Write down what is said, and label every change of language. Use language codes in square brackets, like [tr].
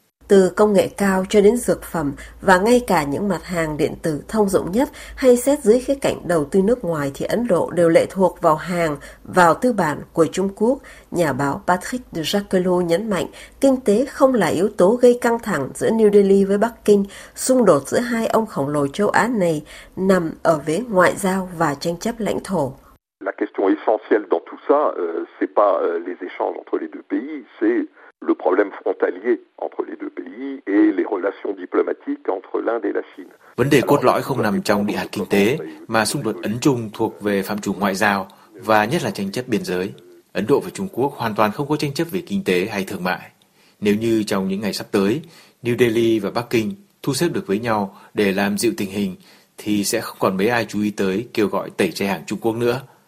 [vi] Từ công nghệ cao cho đến dược phẩm và ngay cả những mặt hàng điện tử thông dụng nhất hay xét dưới khía cạnh đầu tư nước ngoài thì Ấn Độ đều lệ thuộc vào hàng, vào tư bản của Trung Quốc. Nhà báo Patrick de Jacquelot nhấn mạnh, kinh tế không là yếu tố gây căng thẳng giữa New Delhi với Bắc Kinh, xung đột giữa hai ông khổng lồ châu Á này nằm ở vế ngoại giao và tranh chấp lãnh thổ. [fr] La question essentielle dans tout ça, c'est pas les échanges entre les deux pays, c'est le problème frontalier entre les deux pays et les relations diplomatiques entre l'Inde et la Chine. [vi] Vấn đề cốt lõi không nằm trong địa hạt kinh tế, mà xung đột Ấn Trung thuộc về phạm trù ngoại giao và nhất là tranh chấp biên giới. Ấn Độ và Trung Quốc hoàn toàn không có tranh chấp về kinh tế hay thương mại. Nếu như trong những ngày sắp tới, New Delhi và Bắc Kinh thu xếp được với nhau để làm dịu tình hình, thì sẽ không còn mấy ai chú ý tới kêu gọi tẩy chay hàng Trung Quốc nữa.